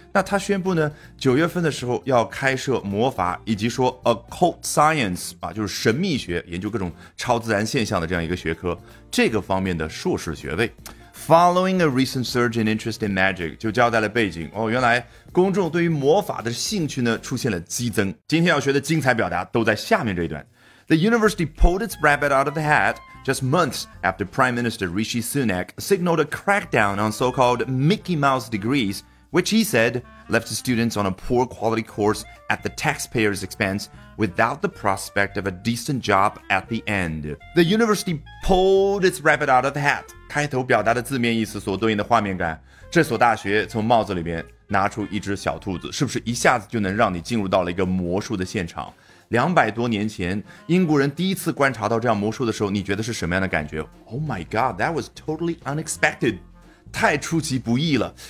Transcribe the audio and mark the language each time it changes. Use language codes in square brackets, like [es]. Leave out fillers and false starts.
[zh] 那他宣布呢，9月份的时候要开设魔法以及说 occult science、就是神秘学，研究各种超自然现象的这样一个学科，这个方面的硕士学位。 [en] Following a recent surge in interest in magic, [zh] 就交代了背景。哦，原来公众对于魔法的兴趣呢出现了激增。今天要学的精彩表达都在下面这一段。 [en] The university pulled its rabbit out of the hat just months after Prime Minister Rishi Sunak signaled a crackdown on so-called Mickey Mouse degrees, which he said left students on a poor quality course at the taxpayers' expense without the prospect of a decent job at the end. The university pulled its rabbit out of the hat. [zh] 开头表达的字面意思所对应的画面感，这所大学从帽子里面拿出一只小兔子，是不是一下子就能让你进入到了一个魔术的现场？ 200多年前，英国人第一次观察到这样魔术的时候，你觉得是什么样的感觉 ？ [en] Oh my God, that was totally unexpected， [zh] 太出其不意了。